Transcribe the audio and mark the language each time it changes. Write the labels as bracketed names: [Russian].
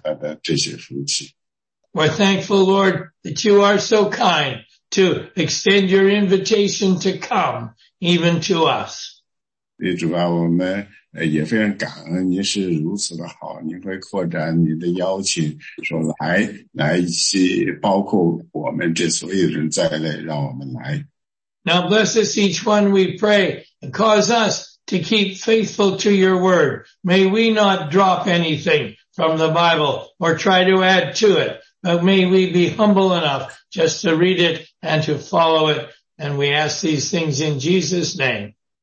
[English] 21 and 22。 [Chinese] 主啊，我们也非常感恩，您会支持我们呢，您会赐给我们这样的福气，尽管我们不配得到这样的福气，您仍然就是说会给赐给我们在启示录你所讲到的这些福气。 [English] We're thankful, Lord, that you are so kind to extend your invitation to come even to us. [Chinese] 主啊，我们也非常感恩，您是如此的好，您会扩展您的邀请，说来，来一起包括我们这所有人在内，让我们来。 [English] Now bless us each one, we pray, and cause us to keep faithful to your word. May we not drop anything from the Bible or try to add to it, but may we be humble enough just to read it and to follow it, and we ask these things in Jesus' name.